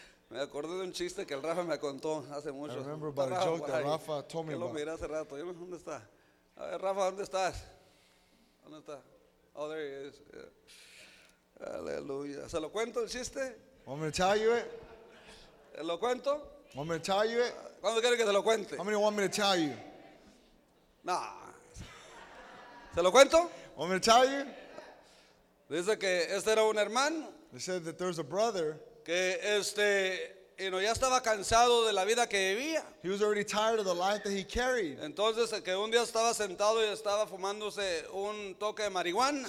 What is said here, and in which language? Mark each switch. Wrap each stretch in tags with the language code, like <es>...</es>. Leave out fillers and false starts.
<es>Me acordé de un chiste que el Rafa me contó hace mucho.</es> <en>I remember about a joke that Rafa told me about.</en> <es>Lo miré hace rato. ¿Dónde está? A ver, Rafa, ¿dónde estás? ¿Dónde está?</es> <en>Oh, there he is.</en> <es>Yeah. Aleluya. ¿Se lo cuento el chiste?</es> <en>Want me to tell you it?</en> <es>¿Lo cuento?</es> <en>Want me to tell you it?</en> <es>¿Cuándo quieres que te lo cuente?</es> <en>How many want me to tell you?</en> <es>Nah. ¿Se lo cuento?</es> <en>Want me to tell you?</en> <es>Dice que este era un hermano.</es> <en>They said that there's a brother.</en> <es>Que you know, ya estaba cansado de la vida que vivía.</es> <en>He was already tired of the life that he carried.</en> <es>Entonces que un día estaba sentado y estaba fumándose un toque de marihuana.</es>